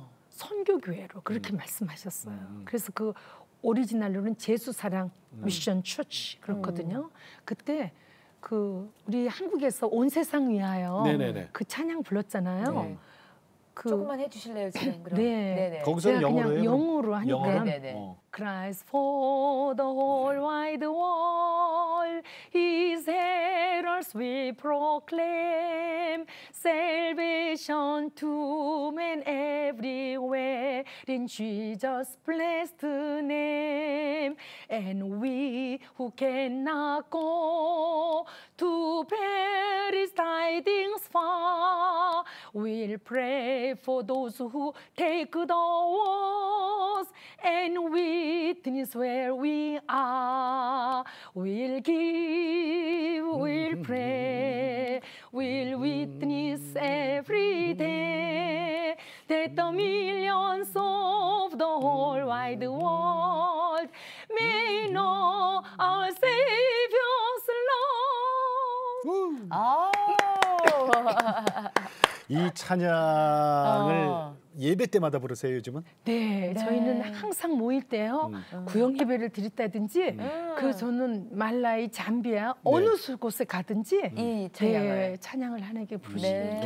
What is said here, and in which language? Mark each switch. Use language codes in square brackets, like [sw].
[ko] 선교교회로 그렇게 말씀하셨어요. 그래서 그 오리지널로는 제수사랑 미션 처치 그렇거든요. 그때 그 우리 한국에서 온 세상 위하여 네네네. 그 찬양 불렀잖아요. 그 조금만 해주실래요 지금 그럼? 네. 네네. 거기서는 영어로 해요? 영어로 하니까 영어로? 어. [en] Christ for the whole wide world His heralds we proclaim Salvation to men everywhere In Jesus' blessed name And we who cannot go To perish tidings far We'll pray for those who take the wars And witness where we are We'll give, we'll pray We'll witness every day That the millions of the whole wide world May know our Savior's love 아 [ko] 이 찬양을 예배 때마다 부르세요 요즘은? 네, 네. 저희는 항상 모일 때요 구역 예배를 드렸다든지 그 저는 말라이 잠비아 네. 어느 곳에 가든지 이 찬양을 네, 찬양을 하나님께 부르시는 네.